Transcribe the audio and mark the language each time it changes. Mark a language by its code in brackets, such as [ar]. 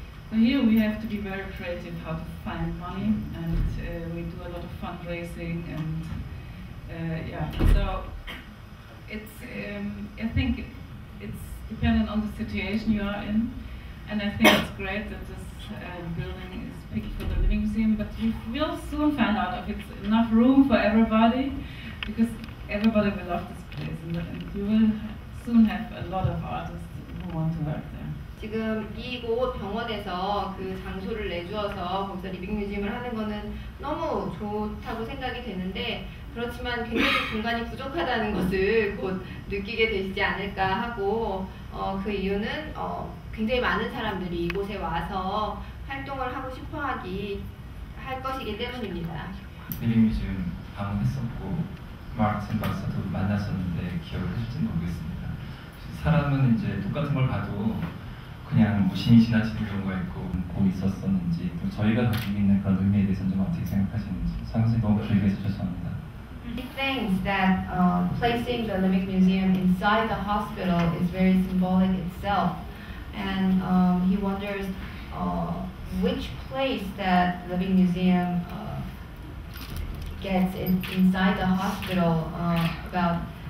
[en] So here we have to be very creative how to find money, and we do a lot of fundraising, and So it's I think it's dependent on the situation you are in, and I think it's great that this building is picked for the living museum, but we will soon find out if it's enough room for everybody, because everybody will love this place, and you will soon have a lot of artists who want to work there. [ko] 지금 이곳 병원에서 그 장소를 내주어서 거기서 리빙 뮤지엄을 하는 거는 너무 좋다고 생각이 되는데 그렇지만 굉장히 공간이 부족하다는 것을 곧 느끼게 되시지 않을까 하고 그 이유는 굉장히 많은 사람들이 이곳에 와서 활동을 하고 싶어 하기 할 것이기 때문입니다. 리빙 뮤지엄 방문했었고 마르틴 박사도 만났었는데 기억을 하실지 모르겠습니다. 사람은 이제 똑같은 걸 봐도 그냥 무심히 지나치는 경우가 있고 뭐 있었었는지 또 저희가 가지고 있는 그런 의미에 대해서는 좀 어떻게 생각하시는지 상세히 너무 길게 해주셨습니다. [en] He thinks that placing the Living Museum inside the hospital is very symbolic itself and he wonders which place that Living Museum gets inside the hospital about